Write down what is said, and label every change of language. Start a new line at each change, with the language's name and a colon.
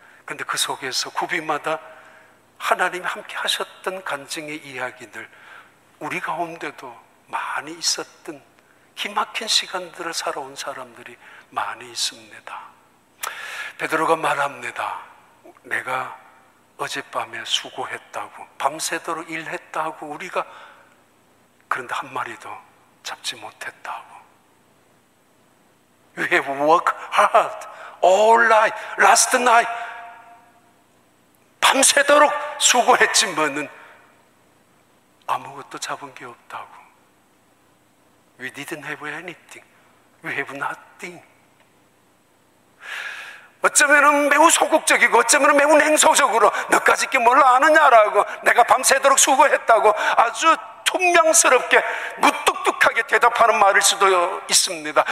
Korean: 근데 그 속에서 구비마다 하나님이 함께 하셨던 간증의 이야기들, 우리 가운데도 많이 있었던 기막힌 시간들을 살아온 사람들이 많이 있습니다. 베드로가 말합니다. 내가 어젯밤에 수고했다고, 밤새도록 일했다고, 우리가 그런데 한 마리도 잡지 못했다고.
English: We have worked hard all night, last night.
Korean: 밤새도록 수고했지만은 아무것도 잡은 게 없다고.
English: We didn't have anything. We have nothing.
Korean: 어쩌면 매우 소극적이고 어쩌면 매우 냉소적으로 너까지 게 뭘 아느냐라고, 내가 밤새도록 수고했다고 아주 퉁명스럽게 무뚝뚝하게 대답하는 말일 수도 있습니다.